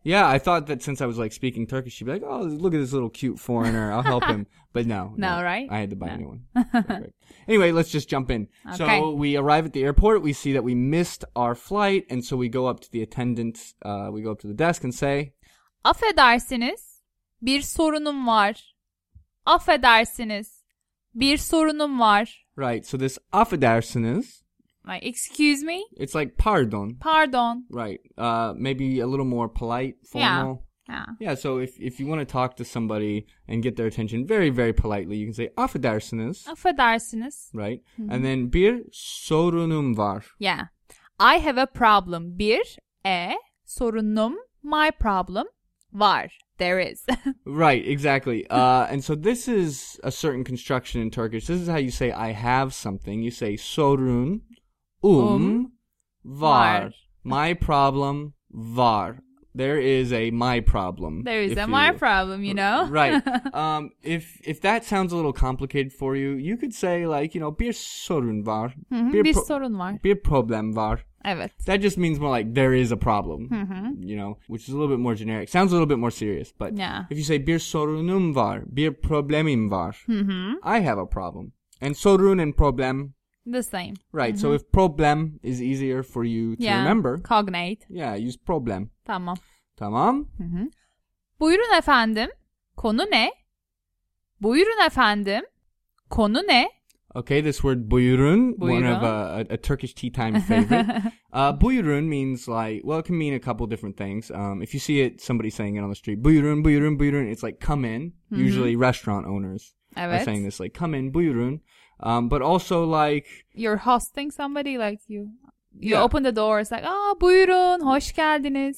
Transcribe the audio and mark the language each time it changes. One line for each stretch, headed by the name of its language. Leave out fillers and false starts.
English: Yeah, I thought that since I was like speaking Turkish, she'd be like, oh, look at this little cute foreigner. I'll help him. But no, right? I had to buy a new one. Anyway, let's just jump in. Okay. So we arrive at the airport. We see that we missed our flight. And so we go up to the attendant. We go up to the desk and say,
Turkish: Affedersiniz, bir sorunum var. Affedersiniz, bir sorunum var.
English: Right, so this affedersiniz. Like, excuse me? It's like pardon. Pardon. Right, maybe a little more polite, formal. Yeah, yeah. Yeah, so if you want to talk to somebody and get their attention very, very politely, you can say affedersiniz.
Turkish: Affedersiniz.
English: Right, mm-hmm. And then
Turkish: bir sorunum var.
English: Yeah, I have a problem.
Turkish: Bir e sorunum,
English: my problem,
Turkish: var.
English: There is. Right, exactly. And so this is a certain construction in Turkish. This is how you say, I have something. You say,
Turkish: sorun var.
English: My problem var. There is a my problem. There is a my problem, you know? Right. If that sounds a little complicated for you, you could say like, you know,
Turkish: bir sorun var. Mm-hmm. Bir sorun var. Bir problem var. Evet.
English: That just means more like there is a problem, mm-hmm. You know, which is a little bit more generic. Sounds a little bit more serious, but yeah. If you say
Turkish: bir sorunum var, bir problemim var, mm-hmm.
English: I have a problem. And sorun and problem. The same. Right. Mm-hmm. So if problem is easier for you to remember. Cognate. Yeah, use problem.
Turkish: Tamam. Tamam. Mm-hmm. Buyurun efendim, konu ne? Buyurun efendim, konu ne?
English: Okay, this word buyurun, one of a Turkish Tea Time favorite. buyurun means like, well, it can mean a couple different things. If you see it, somebody saying it on the street, buyurun, buyurun, buyurun, it's like come in. Mm-hmm. Usually restaurant owners are saying this, like come in, buyurun. But also like... You're hosting somebody, like you open the door, it's like, oh, buyurun,
Turkish: hoş geldiniz.